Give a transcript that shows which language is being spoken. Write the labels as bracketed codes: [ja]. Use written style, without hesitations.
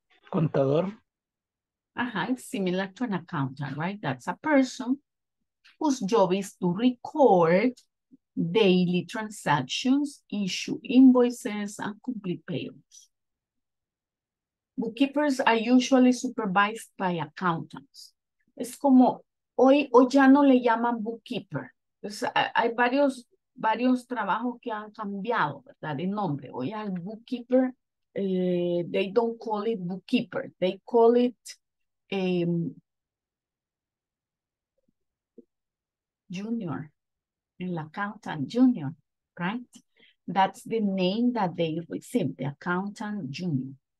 [es] Contador. [en] Uh-huh, it's similar to an accountant, right? That's a person whose job is to record daily transactions, issue invoices, and complete payments. Bookkeepers are usually supervised by accountants. [es] Es como, hoy ya no le llaman bookkeeper. Entonces, hay varios trabajos que han cambiado, ¿verdad? El nombre. Hoy al bookkeeper. [en] They don't call it bookkeeper. They call it junior, an accountant junior, right? That's the name that they receive, the accountant junior.